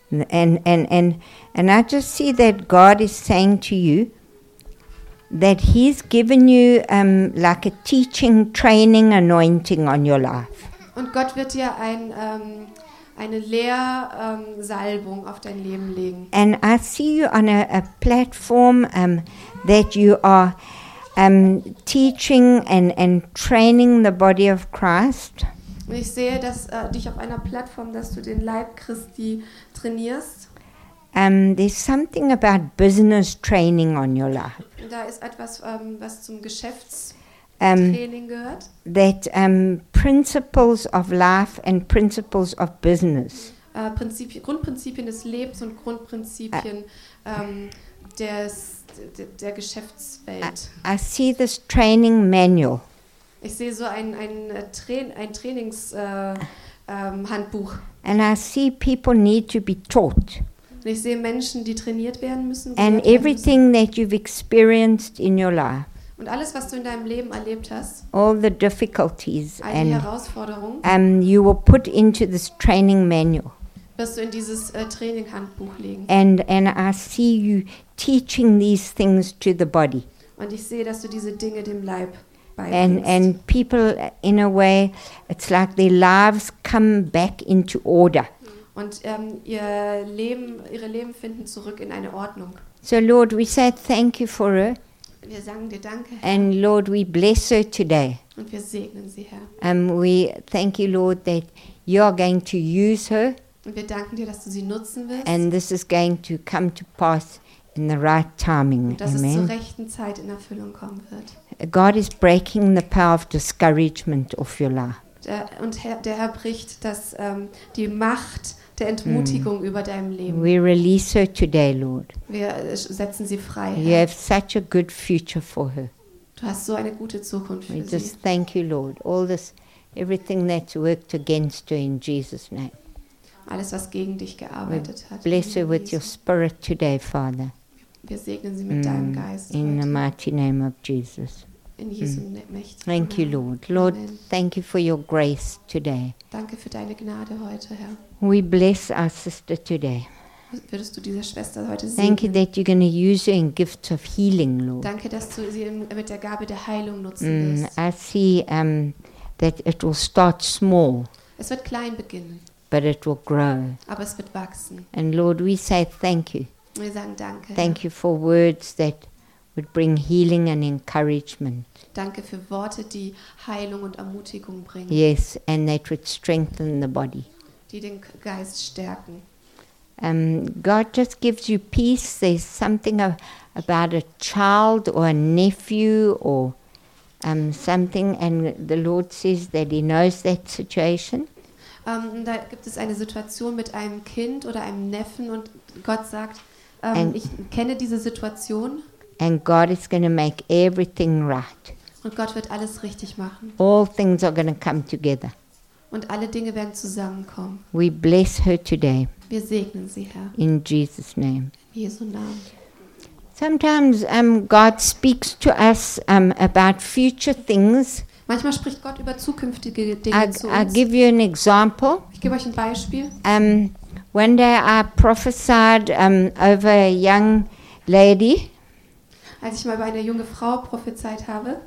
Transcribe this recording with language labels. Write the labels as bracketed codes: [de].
[en] And I just see that God is saying to you that he's given you like a teaching, training, anointing on your life. [de] Und Gott wird dir eine Lehrsalbung auf dein Leben legen. [en] And I see you on a platform that you are teaching and training the body of Christ. [de] Und ich sehe, dass dich auf einer Plattform, dass du den Leib Christi trainierst. [en] There's something about business training on your life. [de] Da ist etwas, was zum Geschäftstraining gehört. [en] That principles of life and principles of business. [de] Grundprinzipien des Lebens und Grundprinzipien der Geschäftswelt. [en] I see this training manual. [de] Ich sehe so ein Trainingshandbuch. [en] And I see people need to be taught. [de] Und ich sehe Menschen, die trainiert werden müssen. [en] And everything that you've experienced in your life. [de] Und alles, was du in deinem Leben erlebt hast. [en] All the difficulties. [de] All die and Herausforderungen. [en] You will put into this training manual. [de] Wirst du in dieses Traininghandbuch legen. [en] And I see you teaching these things to the body. [de] Und ich sehe, dass du diese Dinge dem Leib [en] And people, in a way, it's like their lives come back into order. [de] Und ihre Leben finden zurück in eine Ordnung. [en] So Lord, we say thank you for her. [de] Wir sagen dir Danke. [en] And Lord, we bless her today. [de] Und wir segnen sie, Herr. [en] We thank you, Lord, that you are going to use her. [de] Und wir danken dir, dass du sie nutzen wirst. [en] And this is going to come to pass in the right timing. [de] Und dass [en] Amen. [de] Es zur rechten Zeit in Erfüllung kommen wird. [en] God is breaking the power of discouragement of your life. [de] Der Herr bricht das die Macht der Entmutigung über deinem Leben. [en] We release her today, Lord. [de] Wir setzen sie frei. [en] You [de] Herr. [en] Have such a good future for her. [de] Du hast so eine gute Zukunft für [en] we [de] sie. [en] We just thank you, Lord. All this, everything that's worked against you in Jesus' name. [de] Alles, was gegen dich gearbeitet [en] we [de] hat. [en] Bless her with your spirit today, Father. [de] Wir segnen sie mit deinem Geist. [en] In the mighty name of Jesus. [de] In Jesu Mächte. [en] Thank you, Lord. Lord, Amen. Thank you for your grace today. [de] Danke für deine Gnade heute, Herr. [en] We bless our sister today. [de] Würdest du dieser Schwester heute segnen? [en] Thank you that you're going to use her in gifts of healing, Lord. [de] Danke, dass du sie mit der Gabe der Heilung nutzen wirst. [en] I see that it will start small. [de] Es wird klein beginnen. [en] But it will grow. [de] Aber es wird wachsen. [en] And Lord, we say thank you. [de] Wir sagen Danke. [en] Thank you for words that would bring healing and encouragement. [de] Danke für Worte, die Heilung und Ermutigung bringen. [en] Yes, and that would strengthen the body. [de] Die den Geist stärken. [en] God just gives you peace. There's something about a child or a nephew or something, and the Lord says that He knows that situation. [de] Da gibt es eine Situation mit einem Kind oder einem Neffen, und Gott sagt, ich kenne diese Situation. [en] And God is going to make everything right. [de] Und Gott wird alles richtig machen. [en] All things are going to come together. [de] Und alle Dinge werden zusammenkommen. [en] We bless her today. [de] Wir segnen sie, Herr. [en] In Jesus' name. [de] In Jesu Namen. [en] Sometimes God speaks to us about future things. [de] Manchmal spricht Gott über zukünftige Dinge zu uns. [en] I'll give you an example. [de] Ich gebe euch ein Beispiel. [en] One day I prophesied over a young lady. [de] Als ich mal bei einer jungen Frau prophezeit habe.